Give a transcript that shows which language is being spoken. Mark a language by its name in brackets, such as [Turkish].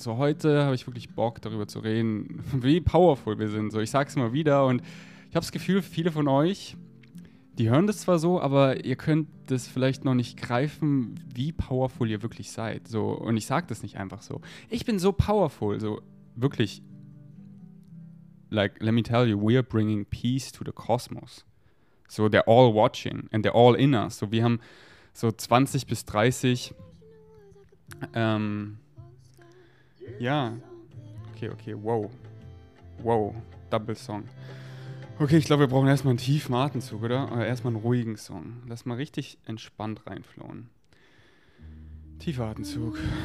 [German] So, heute habe ich wirklich Bock, darüber zu reden, wie powerful wir sind. So, ich sag's mal wieder und ich habe das Gefühl, viele von euch, die hören das zwar so, aber ihr könnt das vielleicht noch nicht greifen, wie powerful ihr wirklich seid. So, und ich sag das nicht einfach so. Ich bin so powerful, so wirklich. [English] Like, let me tell you, we are bringing peace to the cosmos. So, they're all watching and they're all in us. [German] So, wir haben so 20 bis 30, ja, okay, wow, Double Song. Okay, ich glaube, wir brauchen erstmal einen tiefen Atemzug, oder? Oder erstmal einen ruhigen Song. Lass mal richtig entspannt reinflohen. Tiefer Atemzug.